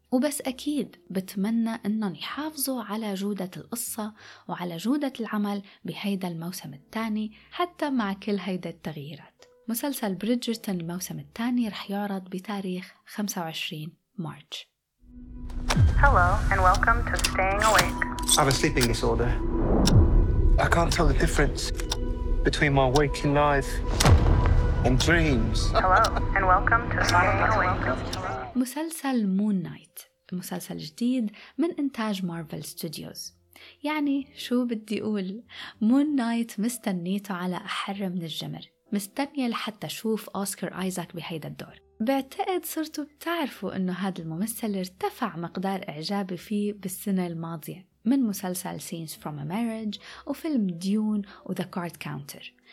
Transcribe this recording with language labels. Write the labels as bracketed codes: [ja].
[ar] وبس أكيد بتمنى أنهم يحافظوا على جودة القصة وعلى جودة العمل بهيدا الموسم الثاني حتى مع كل هيدا التغييرات. مسلسل بريدجرتون الموسم الثاني رح يعرض بتاريخ 25 مارس. [en] Hello and welcome to Staying Awake. I have a sleeping disorder. I can't tell the difference between my waking life and dreams. Hello and welcome to Staying Awake. [ar] مسلسل مون نايت، مسلسل جديد من إنتاج مارفل ستوديوز. يعني شو بدي أقول، مون نايت مستنيته على أحر من الجمر، مستنية لحتى شوف أوسكار آيزاك بهيدا الدور. بعتقد صرتوا بتعرفوا أنه هذا الممثل ارتفع مقدار إعجابي فيه بالسنة الماضية من مسلسل Scenes from a Marriage وفيلم ديون وThe Card Counter.